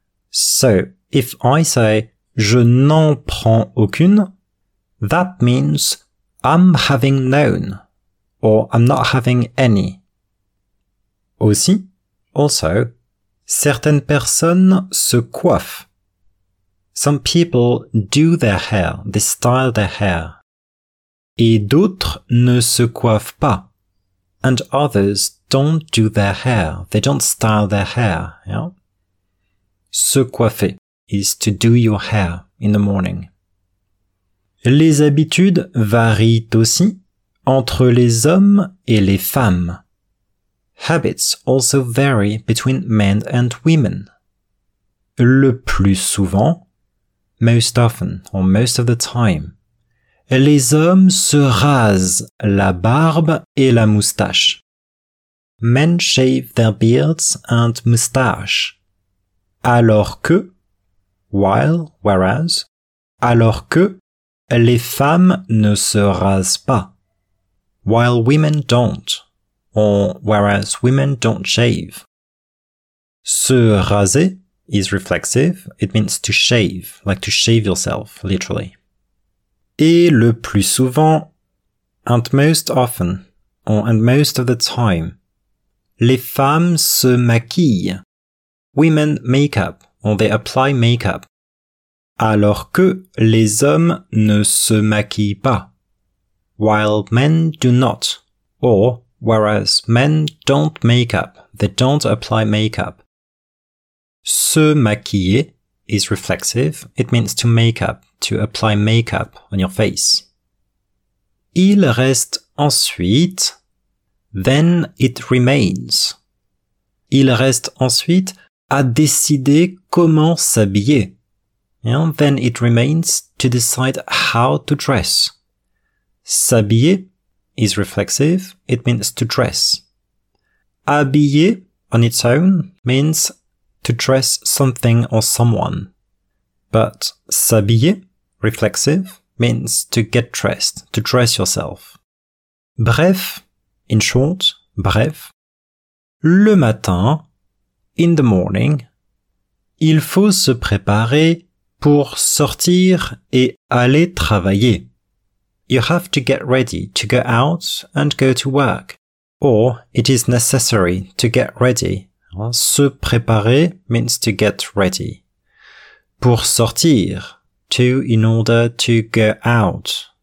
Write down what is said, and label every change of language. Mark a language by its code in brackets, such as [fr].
[en] So, if I say [fr] je n'en prends aucune, [en] that means I'm having none, or I'm not having any. [fr] Aussi, also, certaines personnes se coiffent. [en] Some people do their hair, they style their hair. [fr] Et d'autres ne se coiffent pas. [en] And others don't do their hair, they don't style their hair. Yeah? Se coiffer is to do your hair in the morning. [fr] Les habitudes varient aussi entre les hommes et les femmes. [en] Habits also vary between men and women. [fr] Le plus souvent, [en] most often, or most of the time, [fr] les hommes se rasent la barbe et la moustache. [en] Men shave their beards and moustache. [fr] Alors que, while, whereas, alors que, les femmes ne se rasent pas. [en] While women don't. or whereas women don't shave. Se raser is reflexive. It means to shave, like to shave yourself, literally. [fr] Et le plus souvent, [en] and most often, or and most of the time, [fr] les femmes se maquillent. [en] Women make up, or they apply makeup. [fr] Alors que les hommes ne se maquillent pas. [en] While men do not, or whereas men don't make up, they don't apply makeup. Se maquiller is reflexive. It means to make up, to apply makeup on your face. [fr] Il reste ensuite. [en] Then it remains. [fr] Il reste ensuite à décider comment s'habiller. [en] And then it remains to decide how to dress. S'habiller is reflexive. It means to dress. Habiller on its own means to dress something or someone. But s'habiller, reflexive, means to get dressed, to dress yourself. [fr] Bref, [en] in short, [fr] bref. Le matin, [en] in the morning, [fr] il faut se préparer pour sortir et aller travailler. [en] You have to get ready to go out and go to work. Or it is necessary to get ready. Se préparer means to get ready. Pour sortir, to in order to go out.